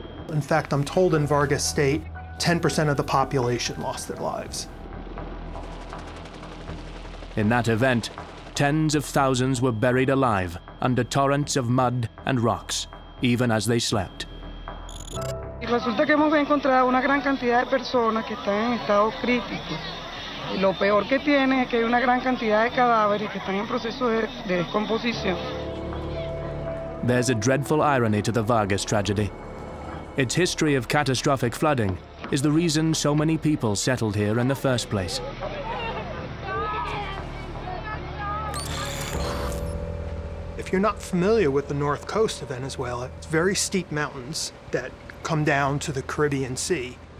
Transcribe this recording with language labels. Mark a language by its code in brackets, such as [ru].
[en] In fact, I'm told in Vargas State, 10% of the population lost their lives. In that event, tens of thousands were buried alive under torrents of mud and rocks, even as they slept. [es] Y resulta que hemos encontrado una gran cantidad de personas que están en estado crítico. Y lo peor que tiene es que hay una gran cantidad de cadáveres que están en proceso de descomposición. [en] There's a dreadful irony to the Vargas tragedy. Its history of catastrophic flooding is the reason so many people settled here in the first place. If you're not familiar with the north coast of Venezuela, it's very steep mountains that come down to the Caribbean Sea.